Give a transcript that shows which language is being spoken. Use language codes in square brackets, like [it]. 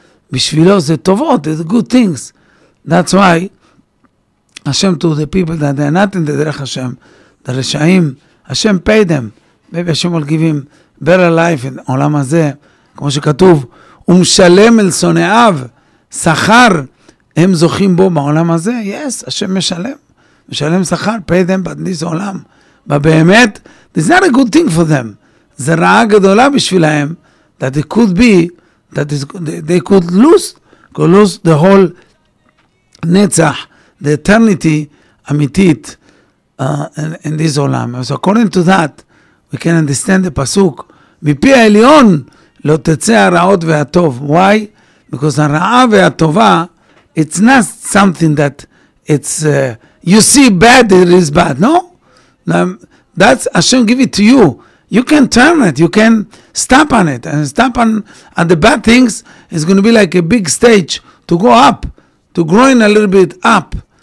[he] בשבילו זה טובות, [en] it's good things. That's why Hashem to the people that they're not in the דרך Hashem, the רשעים, Hashem paid them. Maybe Hashem will give him better life in [he] העולם הזה, כמו שכתוב, הוא משלם אל שונאיו, שכר, הם זוכים בו בעולם הזה. [en] Yes, Hashem משלם. משלם שכר, pay them, but this עולם. But באמת, it's not a good thing for them. [he] זה רעה גדולה בשבילהם, [en] that it could be, that is, they could lose the whole נצח, the eternity אמיתית in this עולם. So according to that, we can understand the pasuk, [he] מפי העליון לא תצא הרעות והטוב. [en] Why? Because [he] הרעה והטובה, [en] it's not something that it's, you see bad, it is bad, no? That's Hashem give it to you. You can turn it, you can stop on it, and stop on the bad things, it's going to be like a big stage to go up, to grow in a little bit up.